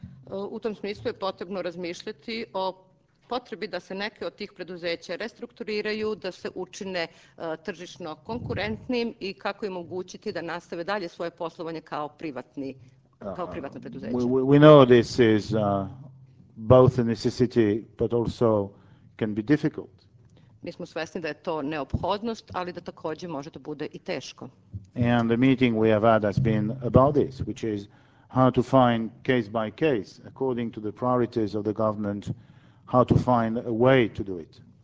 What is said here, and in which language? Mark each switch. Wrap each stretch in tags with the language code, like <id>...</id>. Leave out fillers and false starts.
<sr>U tom smislu je potrebno razmišljati o potrebi da se neke od tih preduzeća restrukturiraju, da se učine tržišno konkurentnim i kako im omogućiti da nastave dalje svoje poslovanje kao privatno preduzeće.</sr> <en>We know this is both a necessity but also can be difficult.</en> <sr>Mi smo svesni da je to neophodnost, ali da takođe može da bude i teško.</sr> <en>And the meeting we have had has been about this, which is how to find case by case according to the priorities of the government, how to find a way to do it.</en>